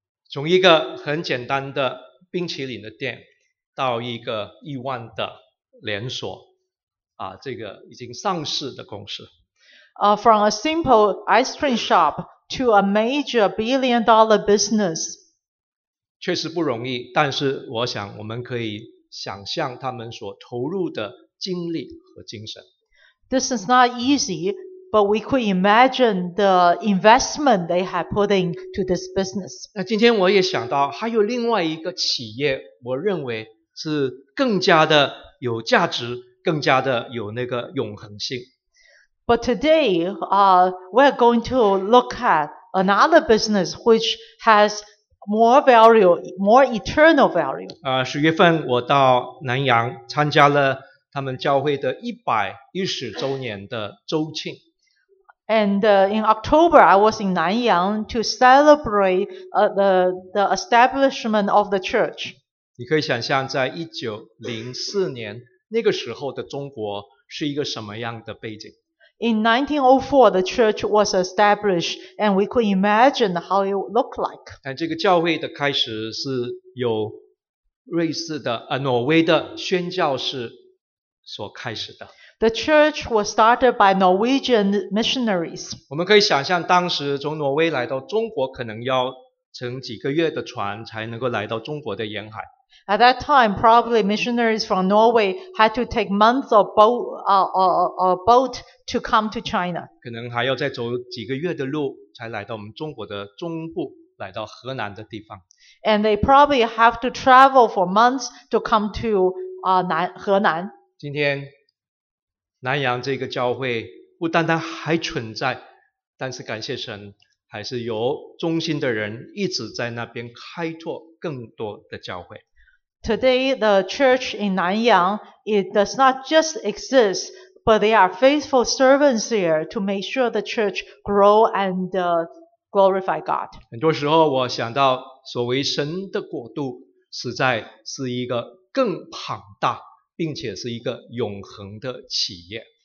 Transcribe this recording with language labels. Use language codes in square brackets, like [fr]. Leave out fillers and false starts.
[zh] 从一个很简单的冰淇淋的店到一个亿万的连锁这个已经上市的公司。 [en] From a simple ice cream shop, to a major billion-dollar business. [zh] 确实不容易，但是我想我们可以想象他们所投入的精力和精神。 [en] This is not easy, but we could imagine the investment they have put into this business. [zh] 那今天我也想到还有另外一个企业，我认为是更加的有价值，更加的有那个永恒性。 [en] But today, we're going to look at another business which has more value, more eternal value. [zh] 十月份我到南洋参加了他们教会的110周年的周庆。 [en] And in October, I was in Nanyang to celebrate the establishment of the church. [zh] 你可以想象在1904年那个时候的中国是一个什么样的背景。 [en] In 1904, the church was established, and we could imagine how it looked like. [zh] 但这个教会的开始是由瑞士的挪威的宣教士所开始的。 [en] The church was started by Norwegian missionaries. [zh] 我们可以想象当时从挪威来到中国可能要乘几个月的船才能够来到中国的沿海。 [en] At that time, probably missionaries from Norway had to take months of boat to come to China. [zh] 可能还要再走几个月的路才来到我们中国的中部，来到河南的地方。 [en] And they probably have to travel for months to come to 河南。 [zh] 今天南洋这个教会不单单还存在，但是感谢神，还是由中心的人一直在那边开拓更多的教会。 [en] Today, the church in Nanyang, it does not just exist, but they are faithful servants here to make sure the church grow and glorify God. [zh] 很多时候我想到所谓神的国度实在是一个更庞大并且是一个永恒的企业。